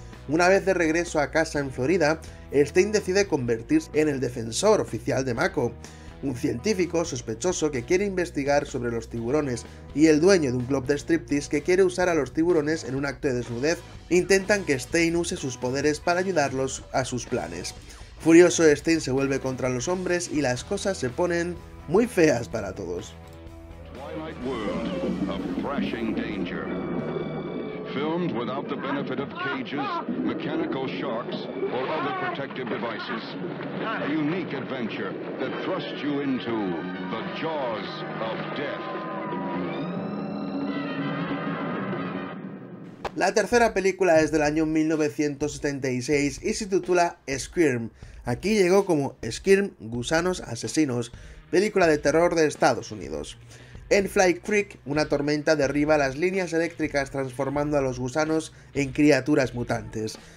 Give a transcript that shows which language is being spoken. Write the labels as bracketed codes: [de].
[es] Una vez de regreso a casa en Florida, Stein decide convertirse en el defensor oficial de Mako, un científico sospechoso que quiere investigar sobre los tiburones, y el dueño de un club de striptease que quiere usar a los tiburones en un acto de desnudez. Intentan que Stein use sus poderes para ayudarlos a sus planes. Furioso, Stein se vuelve contra los hombres y las cosas se ponen muy feas para todos. [en] Twilight World, a crashing danger. Filmed without the benefit of cages, mechanical sharks, or other protective devices. A unique adventure that thrusts you into the jaws of death. [es] La tercera película es del año 1976 y se titula Squirm. Aquí llegó como Squirm, gusanos asesinos, película de terror de Estados Unidos. En Fly Creek, una tormenta derriba las líneas eléctricas transformando a los gusanos en criaturas mutantes.